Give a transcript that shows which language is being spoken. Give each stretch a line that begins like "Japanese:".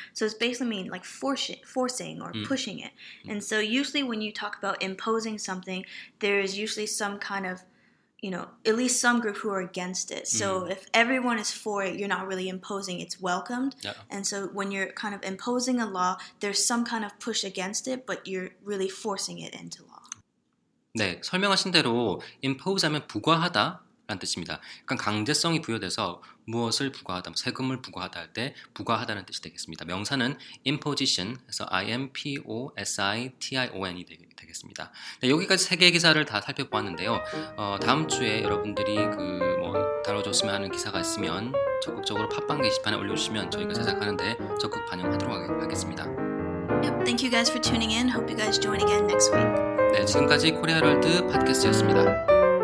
English: So it's basically mean like forcing or pushing it. And so usually when you talk about imposing something, there is usually some kind of, you know, at least some group who are against it. So if everyone is for it, you're not really imposing, it's welcomed. Yeah. And so when you're kind of imposing a law, there's some kind of push against it, but you're really forcing it into law.
Korean: 네, 설명하신 대로 impose 하면 부과하다. 라는 뜻입니다. 약간 강제성이 부여돼서 무엇을 부과하다, 세금을 부과하다 할 때 부과하다는 뜻이 되겠습니다. 명사는 imposition, 그래서 impositon이 되겠습니다. 네, 여기까지 세 개의 기사를 다 살펴보았는데요. 다음 주에 여러분들이 그 뭐 다뤄줬으면 하는 기사가 있으면 적극적으로 팟빵 게시판에 올려주시면 저희가 제작하는데 적극 반영하도록 하겠습니다.
English: Yep, thank you guys for tuning in. Hope you guys join again next week.
Korean: 네, 지금까지 코리아 월드 팟캐스트였습니다.